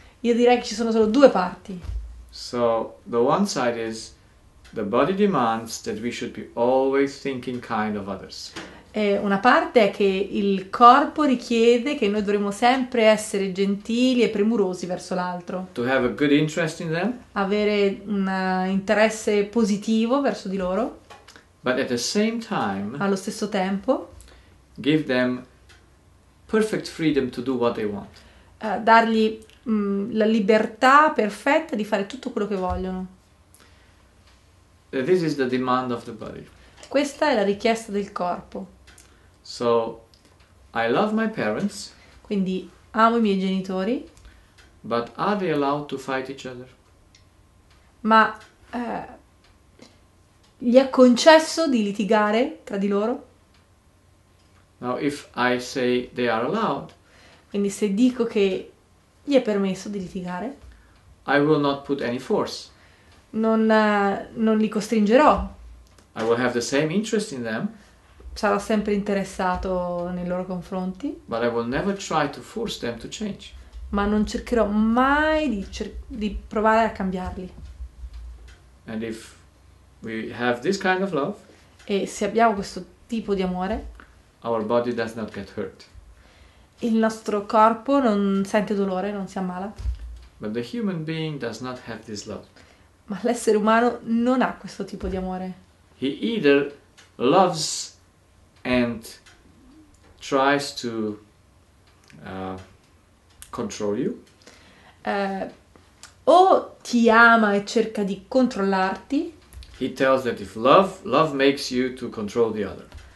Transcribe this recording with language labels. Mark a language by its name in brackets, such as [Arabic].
[Italian] Io direi che ci sono solo due parti. [English] So the one side is the body demands that we should be always thinking kind of others. [Italian] Una parte è che il corpo richiede che noi dovremmo sempre essere gentili e premurosi verso l'altro, [English] To have a good interest in them, [Italian] avere un interesse positivo verso di loro, [English] but at the same time, [Italian] allo stesso tempo, [English] give them perfect freedom to do what they want. [Italian] dargli la libertà perfetta di fare tutto quello che vogliono. [English] This is the demand of the body. [Italian] Questa è la richiesta del corpo. [English] So, I love my parents. [Italian] Quindi amo i miei genitori, [English] But are they allowed to fight each other? [Italian] ma gli è concesso di litigare tra di loro? [English] Now, if I say they are allowed, [Italian] Quindi se dico che gli è permesso di litigare, [English] I will not put any force. [Italian] non li costringerò. [English] I will have the same interest in them, [Italian] Sarò sempre interessato nei loro confronti. [English] but I will never try to force them to change. [Italian] Ma non cercherò mai di provare a cambiarli. [English] And if we have this kind of love, [Italian] E se abbiamo questo tipo di amore, [English] our body does not get hurt. [Italian] il nostro corpo non sente dolore, non si ammala. [English] But the human being does not have this love. [Italian] Ma l'essere umano non ha questo tipo di amore. [English] He either loves and tries to control you. [Italian] O ti ama e cerca di controllarti, [English] He tells that if love makes you to control the other.